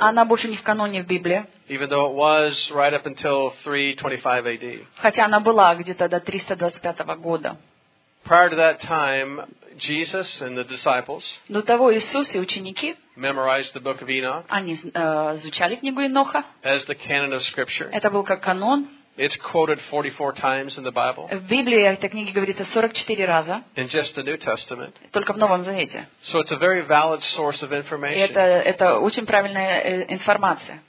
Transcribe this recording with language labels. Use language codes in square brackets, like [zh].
[ru] Она больше не в каноне в Библии. [en] Even though it was right up until 325 AD. [ru] Хотя она была где-то до 325 года. [en] Prior to that time, Jesus and the disciples. [ru] До того Иисус и ученики. [en] Memorized the book of Enoch. [ru] Они изучали книгу Еноха. [en] As the canon of scripture. [ru] Это был как канон. [en] It's quoted 44 times in the Bible. [ru] В Библии о этой книге говорится 44 раза. [en] In just the New Testament. [ru] Только в Новом Завете. [en] So it's a very valid source of information. [ru] Это очень правильная информация.